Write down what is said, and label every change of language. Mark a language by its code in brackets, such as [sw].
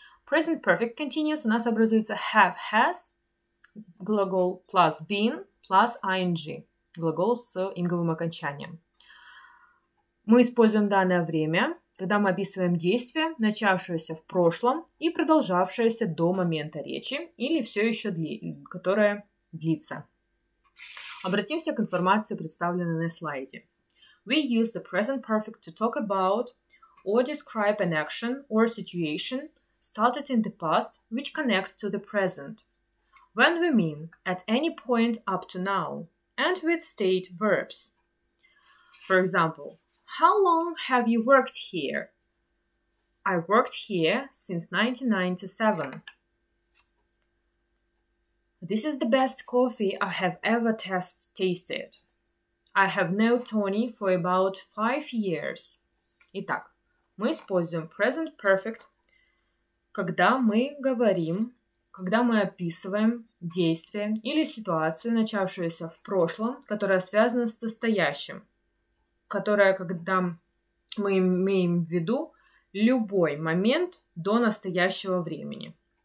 [ru] Present perfect continuous у нас образуется have, has, глагол plus been plus ing, глагол с инговым окончанием. Мы используем данное время, когда мы описываем действие, начавшееся в прошлом и продолжавшееся до момента речи или все еще которое длится. Обратимся к информации, представленной на слайде. [en] We use the present perfect to talk about or describe an action or situation started in the past, which connects to the present. When we mean at any point up to now, and with state verbs. For example, how long have you worked here? I worked here since 1997. This is the best coffee I have ever tasted. I have known Tony for about 5 years. [ru] Итак, мы используем present perfect, когда мы говорим, когда мы описываем действие или ситуацию, начавшуюся в прошлом, которая связана с настоящим, которая, когда мы имеем в виду любой момент до настоящего времени.